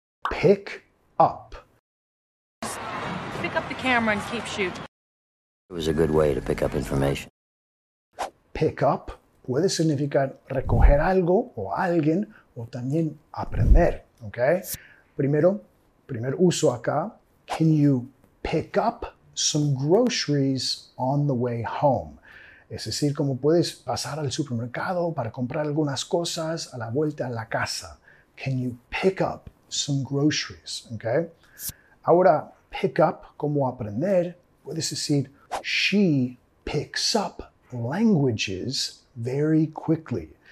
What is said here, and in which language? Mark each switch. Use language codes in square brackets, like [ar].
[en] Pick up. Pick up the camera and keep shooting. It was a good way to pick up information. [es] Pick up puede significar recoger algo o alguien o también aprender, ¿ok? Primer uso acá. [en] Can you pick up some groceries on the way home? [es] Es decir, cómo puedes pasar al supermercado para comprar algunas cosas a la vuelta a la casa. [en] Can you pick up some groceries? Okay. [es] Ahora, pick up, cómo aprender. Puedes decir, [en] she picks up languages very quickly.